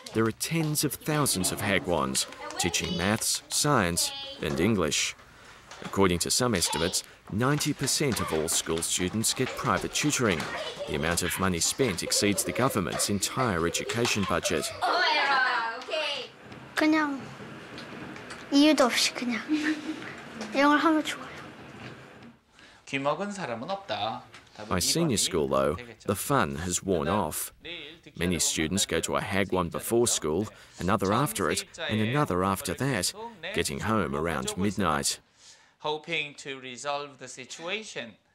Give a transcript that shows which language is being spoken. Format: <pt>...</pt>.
<en>There are tens of thousands of Hagwons teaching maths, science, and English. According to some estimates, 90% of all school students get private tutoring. The amount of money spent exceeds the government's entire education budget. Oh, yeah. Okay.</en> <ko>그냥 이유도 없이 그냥 영어를 하면 좋아요. 귀 먹은 사람은 없다.</ko> <en>By senior school, though, the fun has worn off. Many students go to a Hagwon before school, another after it, and another after that, getting home around midnight. Hoping to resolve the situation.</en>